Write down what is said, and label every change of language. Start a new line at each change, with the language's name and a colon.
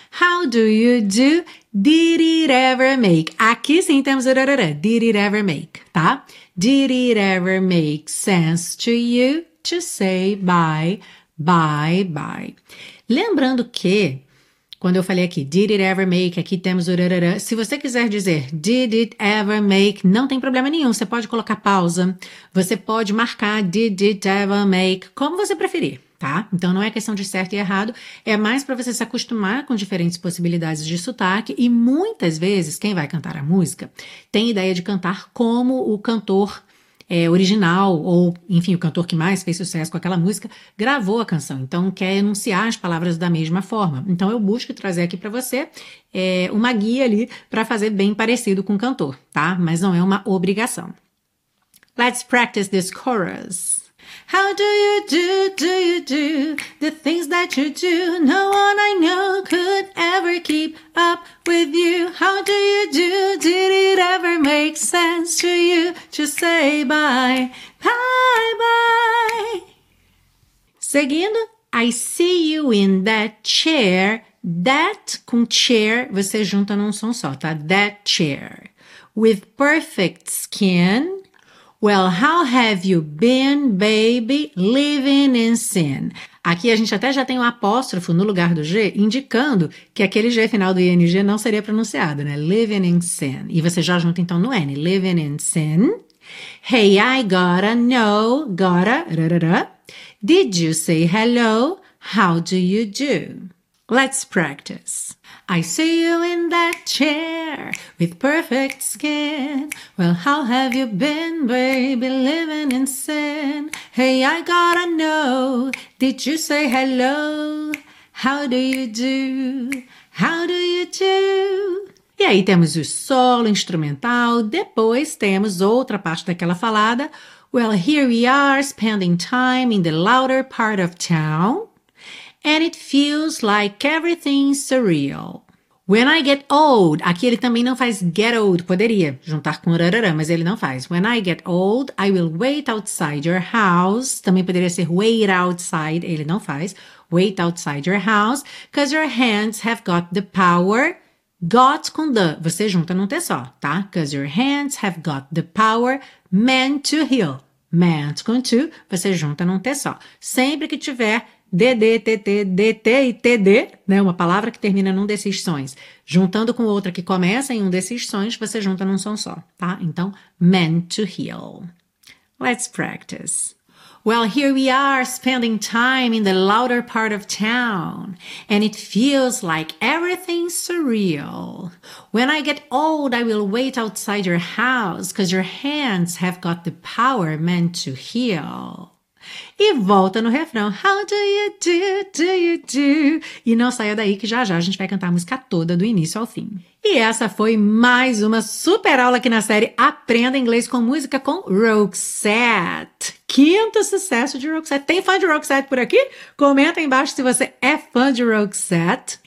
English: How do you do? Did it ever make?
Portuguese: Aqui sim temos rarara.
English: Did it ever make?
Portuguese: Tá?
English: Did it ever make sense to you to say bye, bye, bye?
Portuguese: Lembrando que, quando eu falei aqui,
English: did it ever make?
Portuguese: Aqui temos rarara. Se você quiser dizer
English: did it ever make,
Portuguese: não tem problema nenhum. Você pode colocar pausa. Você pode marcar
English: did it ever make,
Portuguese: como você preferir. Tá? Então, não é questão de certo e errado, é mais para você se acostumar com diferentes possibilidades de sotaque. E muitas vezes, quem vai cantar a música tem ideia de cantar como o cantor original, ou enfim, o cantor que mais fez sucesso com aquela música, gravou a canção. Então, quer enunciar as palavras da mesma forma. Então, eu busco trazer aqui para você uma guia ali para fazer bem parecido com o cantor, tá? Mas não é uma obrigação.
English: Let's practice this chorus. How do you do, the things that you do? No one I know could ever keep up with you. How do you do? Did it ever make sense to you to say bye, bye, bye?
Portuguese: Seguindo,
English: I see you in that chair.
Portuguese: That com chair você junta num som só, tá?
English: That chair. With perfect skin. Well, how have you been, baby, living in sin?
Portuguese: Aqui a gente até já tem um apóstrofo no lugar do G, indicando que aquele G final do ING não seria pronunciado, né?
English: Living in sin.
Portuguese: E você já junta então no N,
English: living in sin. Hey, I gotta know, rarara. Did you say hello? How do you do? Let's practice. I see you in that chair with perfect skin. Well, how have you been, baby, living in sin? Hey, I gotta know. Did you say hello? How do you do? How do you do?
Portuguese: E aí temos o solo instrumental, depois temos outra parte daquela falada.
English: Well, here we are spending time in the louder part of town. And it feels like everything's surreal. When I get old,
Portuguese: aqui ele também não faz
English: get old,
Portuguese: poderia juntar com rarara, mas ele não faz.
English: When I get old, I will wait outside your house.
Portuguese: Também poderia ser
English: wait outside,
Portuguese: ele não faz.
English: Wait outside your house, because your hands have got the power.
Portuguese: Got com the, você junta num T só, tá?
English: Because your hands have got the power meant to heal.
Portuguese: Meant com to, você junta num T só. Sempre que tiver DD, TT, DT e TD, né? Uma palavra que termina num desses sons, juntando com outra que começa em um desses sons, você junta num som só, tá? Então,
English: meant to heal. Let's practice. Well, here we are spending time in the louder part of town, and it feels like everything's surreal. When I get old, I will wait outside your house, because your hands have got the power meant to heal.
Portuguese: E volta no refrão.
English: How do? You do?
Portuguese: E não saia daí que já já a gente vai cantar a música toda do início ao fim. E essa foi mais uma super aula aqui na série Aprenda Inglês com Música com Roxette. Quinto sucesso de Roxette. Tem fã de Roxette por aqui? Comenta aí embaixo se você é fã de Roxette.